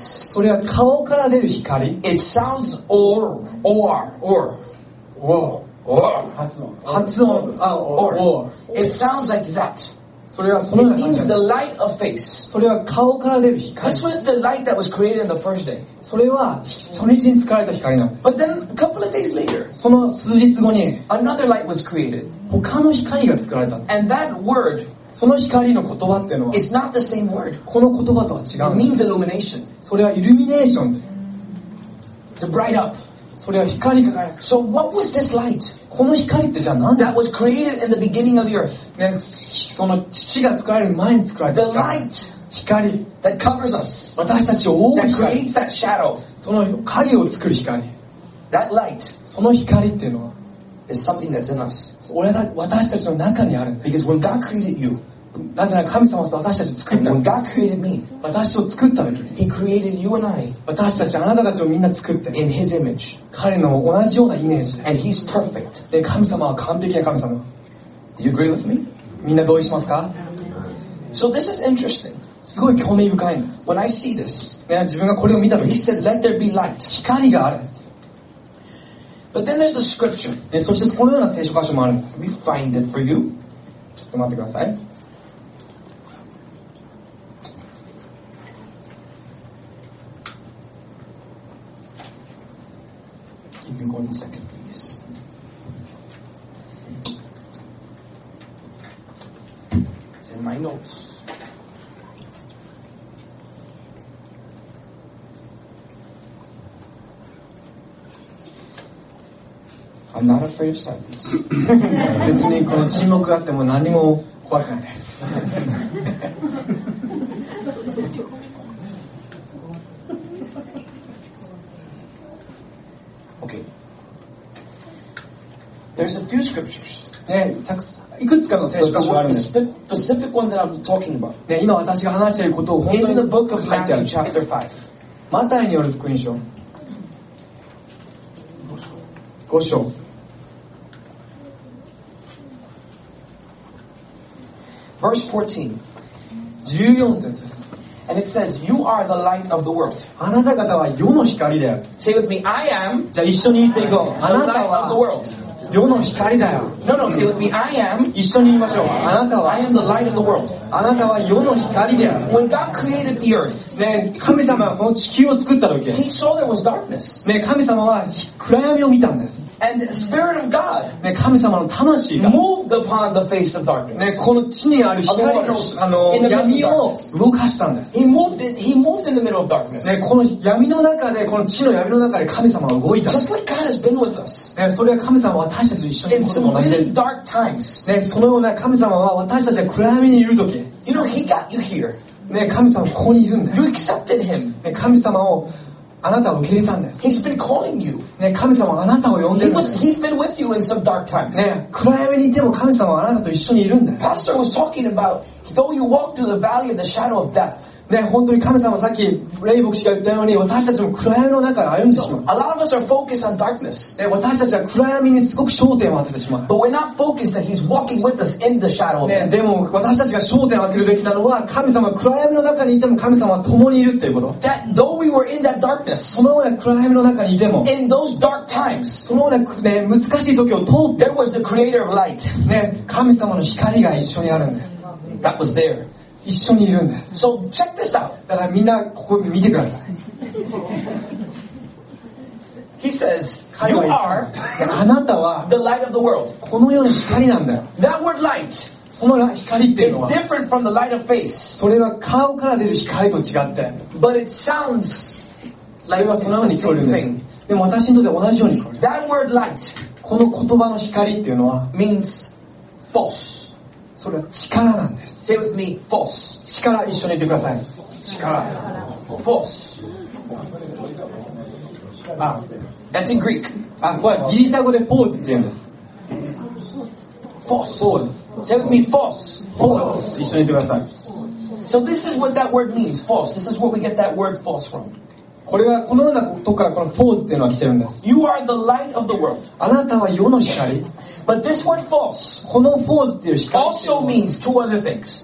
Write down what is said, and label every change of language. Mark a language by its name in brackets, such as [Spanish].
[Japanese] それは顔から出る光。 [English] It sounds or or or. Whoa. Or. Or. It sounds like that. [Japanese] それはその。 [English] It means the light of face. [Japanese] それは顔から出る光。 [English] This was the light that was created in the first day. [Japanese] それは初日に作られた光なんです。 [English] But then a couple of days later. [Japanese] その数日後に。 [English] Another light was created. [Japanese] 他の光が作られたんです。 [English] And that word. [Japanese] その光の言葉っていうのは [English] It's not the same word. [Japanese] この言葉とは違う [English] It means illumination. [Japanese] それはイルミネーション [English] The bright up. [Japanese] それは光が輝く [English] So what was this light? [Japanese] この光ってじゃあ何 [English] That was created in the beginning of the earth.、 [Japanese] ね、その父が作られる前に作られた [English] The light [Japanese] 光 [English] that covers us. [Japanese] 私たちを覆う [English] That creates that shadow. [Japanese] その影を作る光 [English] That light [Japanese] その光っていうのは [English] Is something that's in us. [Japanese] 私たちの中にあるんです。 [English] Because when God created you, [Japanese] なぜなら神様は私たちを作った。 [English] When God created me, [Japanese] 私を作った時、 [English] He created you and I. [Japanese] 私たちあなたたちをみんな作って。 [English] In His image. [Japanese] 彼の同じようなイメージ。 [English] And He's perfect. [Japanese] で神様は完璧な神様。 [English] Do you agree with me? [Japanese] みんな同意しますか [English] ？So this is interesting. [Japanese] すごい興味深いんです。 [English] When I see this, [Japanese] 自分がこれを見た時、 [English] He said, "Let there be light." [Japanese] 光がある。 [English] But then there's a scripture. [Japanese] ね、そしてこのような聖書箇所もあるんです。 [English] We find it for you. ちょっと待ってください。 Give me one second, please. It's in my notes. I'm not afraid of silence. [Japanese] 別にこの沈黙があっても何も怖くないです。 [English] Okay. There's a few scriptures. [Japanese] ね、いくつかの聖書箇所があるんです。 [English] The specific one that I'm talking about. [Japanese] ね、今私が話していることを本当に。 [English] Is in the book of Matthew, chapter 5. [Japanese] マタイによる福音書。五章。 [English] Verse 14. [Japanese] 14節 [English] And it says, You are the light of the world. [Japanese] あなた方は世の光だよ。 [English] Say with me, I am. [Japanese] じゃあ一緒に言っていこう。あなたは世の光だよ。 [English] No, no, say with me, I am. [Japanese] 一緒に言いましょう。あなたは。 [English] I am the light of the world. [Japanese] あなたは世の光だよ。 [English] When God created the earth. [Japanese] ね、神様はこの地球を作った時。 [English] He saw there was darkness. [Japanese] ね、神様は暗闇を見たんです。 [English] And the spirit of God moved upon the face of darkness. [Japanese] この地にある光の闇を動かしたんです。 [English] He moved in the middle of darkness. [Japanese] この闇の中でこの地の闇の中で神様は動いた。 [English] Just like God has been with us. [Japanese] それは神様は私たちと一緒にこの同じです。 [English] In some dark times. [Japanese] そのような神様は私たちが暗闇にいる時。 [English] You know He got you here. [Japanese] 神様はここにいるんです。 [English] You accepted Him. [Japanese] 神様をあなたを受け入れたんです。 [English] He's been calling you. [Japanese] 神様はあなたを呼んでる。 [English] He's been with you in some dark times. [Japanese] 暗闇にいても神様はあなたと一緒にいるんです。 [English] Pastor was talking about though you walk through the valley of the shadow of death. [Japanese] 本当に神様はさっきレイ牧師が言ったように私たちも暗闇の中で歩んでしまう。 [English] A lot of us are focused on darkness. [Japanese] 私たちは暗闇にすごく焦点を当ててしまう。 [English] But we're not focused that He's walking with us in the shadow of death. [Japanese] でも私たちが焦点を当てるべきなのは神様は暗闇の中にいても神様は共にいるということ。 [English] That though we were in that darkness. [Japanese] そのような暗闇の中にいても。 [English] In those dark times. [Japanese] そのような、ね、難しい時を通って。 [English] There was the Creator of light. [Japanese] 神様の光が一緒にあるんです。 [English] That was there. [Japanese] 一緒にいるんです。 [English] So check this out. [Japanese] だからみんなここ見てください。 [English] He says, "You are." [Japanese] あなたは [English] the light of the world. [Japanese] このような光なんだよ。 [English] That word light. [Japanese] その光っていうのは [English] is different from the light of face. [Japanese] それは顔から出る光と違って。 [English] But it sounds like it's the same thing. [Japanese] でも私にとって同じように聞こえる。 [English] That word light. [Japanese] この言葉の光っていうのは [English] means false. [Japanese] それは力なんです。 [English] Say with me, false. [Japanese] 力一緒に言ってください。力。 [English] False. That's in Greek. [Japanese] あ、これギリシャ語でポーズって言うんです。 [English] False. False. Say with me, false. False. [Japanese] 一緒に言ってください。 [English] So this is what that word means, false. This is where we get that word false from. [Japanese] これはこのようなとこからこのポーズというのは来てるんです。 [English] You are the light of the world. [Japanese] あなたは世の光。 [English] But this word false. [Japanese] このポーズという光。 [English] Also means two other things.